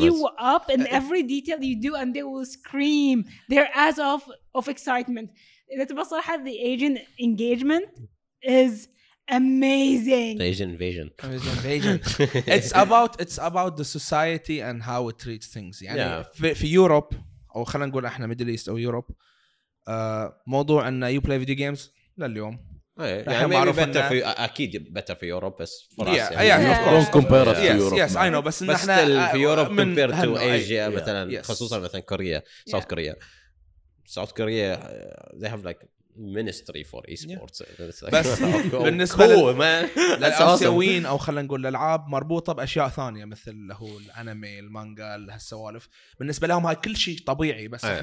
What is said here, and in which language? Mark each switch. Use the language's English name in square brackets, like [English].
[English] you up in every detail you do, and they will scream their ass off of excitement. The Asian engagement is. amazing. The Asian invasion. Asian invasion. It's about the society and how it treats things. [Arabic] يعني yeah. في Europe أو خلنا نقول إحنا Middle East أو Europe. موضوع أن [English] you play video games [Arabic] لليوم. [English] Yeah, يعني maybe better for أكيد better for Europe بس. Yeah. Yeah. Don't compare us to Europe. Yes, man. I know. [Arabic] بس إحنا في [English] Europe compared to Asia yeah. مثلاً yes. [Arabic] خصوصاً مثلاً كوريا South Korea. [English] South Korea they have like ministry for esports. [Arabic] بس بالنسبة للآسيويين أو خلنا نقول الألعاب مربوطة بأشياء ثانية مثل اللي هو الأنمي المانجا هالسوالف بالنسبة لهم هاي كل شيء طبيعي بس yeah.